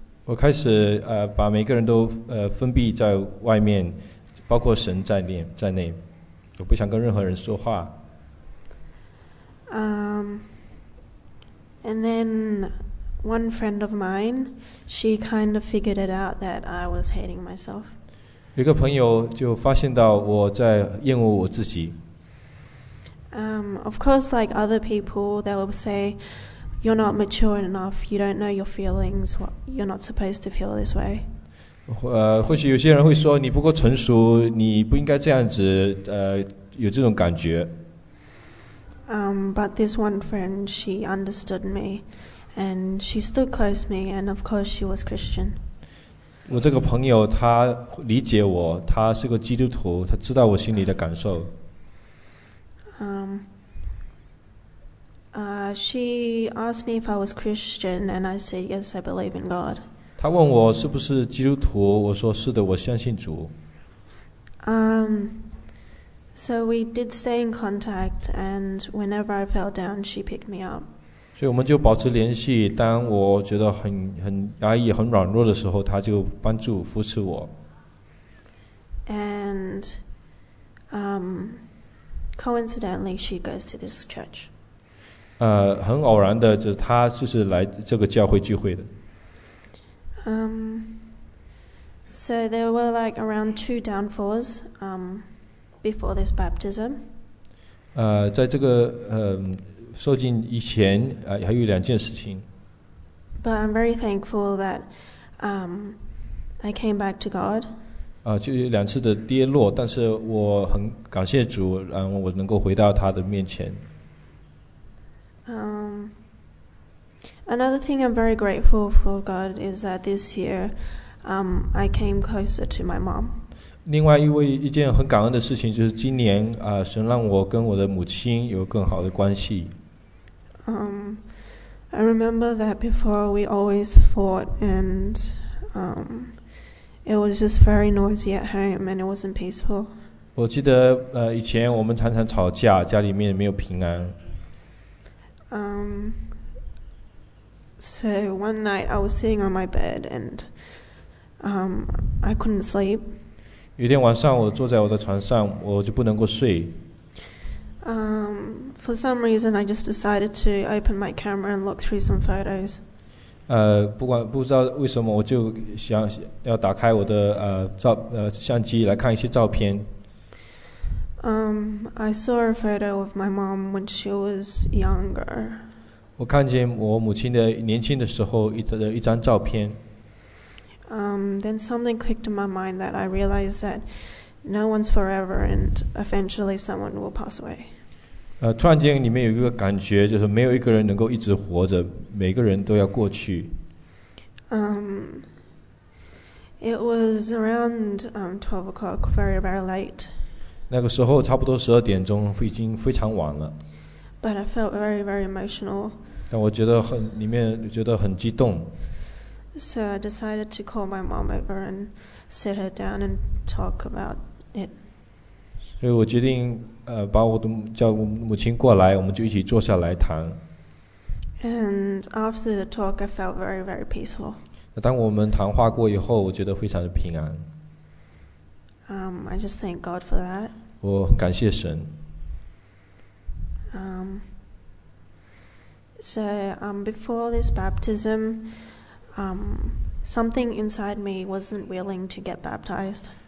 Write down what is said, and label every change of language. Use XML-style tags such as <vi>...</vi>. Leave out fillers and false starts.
<zh>我开始把每个人都封闭在外面，包括神在内，我不想跟任何人说话。</zh> <en>And then one friend of mine, she kind of figured it out that I was hating myself.</en> <zh>有个朋友就发现到我在厌恶我自己。</zh> <en>Of course, like other people, they will say, "You're not mature enough. You don't know your feelings. What, you're not supposed to feel this way."</en> <zh>或许有些人会说你不够成熟，你不应该这样子，有这种感觉。</zh> <en>But this one friend, she understood me, and she stood close to me, and of course, she was Christian.</en> <zh>我这个朋友他理解我，他是个基督徒，他知道我心里的感受。</zh> <en>She asked me if I was Christian, and I said yes, I believe in God.</en> <zh>她问我是不是基督徒，我说是的，我相信主。</zh> <en>So we did stay in contact, and whenever I fell down, she picked me up.</en> <zh>所以我们就保持联系，当我觉得很压抑、很软弱的时候，她就帮助扶持我。</zh> <en>And, coincidentally, she goes to this church.</en> <zh>很偶然的，就是她就是来这个教会聚会的。</zh> <en>So there were like around two downfalls, before this baptism.</en> <zh>在这个受浸以前，还有两件事情。</zh> <en>But I'm very thankful that, I came back to God.</en> <zh>就有两次的跌落，但是我很感谢主，然后我能够回到他的面前。</zh> <en>Another thing I'm very grateful for God is that this year, I came closer to my mom.</en> <zh>另外一件很感恩的事情就是今年神让我跟我的母亲有更好的关系。</zh> <en>I remember that before we always fought and, it was just very noisy at home and it wasn't peaceful.</en> <zh>我记得以前我们常常吵架，家里面没有平安。</zh> <en>So one night I was sitting on my bed and I couldn't sleep.</en> <zh>有一天晚上我坐在我的床上，我就不能够睡。</zh> <en>For some reason I just decided to open my camera and look through some photos.</en> <zh>不知道为什么我就想要打开我的相机来看一些照片。</zh> <en>I saw a photo of my mom when she was younger.</en> <zh>我看见我母亲的年轻的时候一张照片。</zh> <en>Then something clicked in my mind that I realized that no one's forever and eventually someone will pass away.</en> <zh>突然间里面有一个感觉，就是没有一个人能够一直活着，每个人都要过去。</zh> <en>It was around 12 o'clock, very, very late.</en> <zh>那个时候差不多十二点钟，已经非常晚了。</zh> <en>But I felt very, very emotional.</en> <zh>但我觉得很里面觉得很激动。</zh> <en>So I decided to call my mom over and sit her down and talk about it.</en> <zh>所以我决定把我的叫我母亲过来，我们就一起坐下来谈。</zh> <en>And after the talk, I felt very, very peaceful.</en> <zh>当我们谈话过以后，我觉得非常的平安。</zh> <en>I just thank God for that.</en> <zh>我很感谢神。</zh> <en>Before this baptism, something inside me wasn't willing to get baptized.</en>